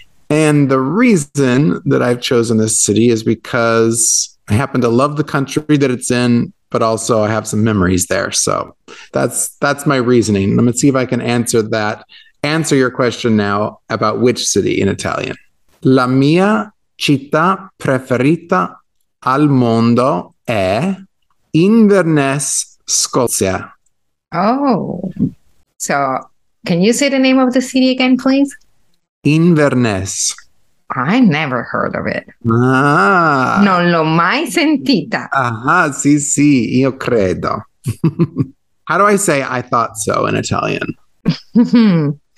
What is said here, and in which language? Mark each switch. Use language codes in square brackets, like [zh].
[en] And the reason that I've chosen this city is because I happen to love the country that it's in, but also I have some memories there. So that's my reasoning. Let me see if I can answer your question now about which city in Italian. [it] La mia città preferita al mondo è Inverness, Scozia. [en] Oh, so can you say the name of the city again, please? Inverness. I never heard of it. Ah. [it] Non l'ho mai sentita. Aha, sì, sì, io credo. [en] How do I say I thought so in Italian?